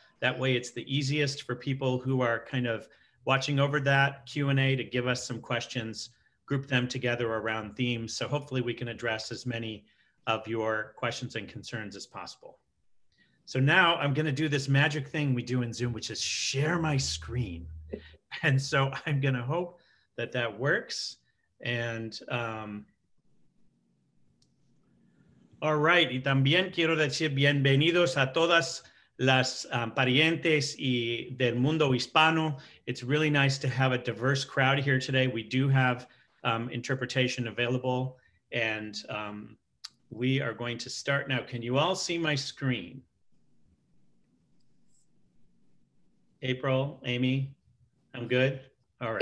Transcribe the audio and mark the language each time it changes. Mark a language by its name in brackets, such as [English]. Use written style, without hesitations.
[English] That way it's the easiest for people who are kind of watching over that Q&A to give us some questions, group them together around themes. So hopefully we can address as many of your questions and concerns as possible. So now I'm gonna do this magic thing we do in Zoom, which is share my screen. And so I'm gonna hope that that works. And all right, [Spanish] y también quiero decir bienvenidos a todas las parientes y del mundo hispano. [English] It's really nice to have a diverse crowd here today. We do have interpretation available, and we are going to start now. Can you all see my screen? April, Amy, I'm good? All right.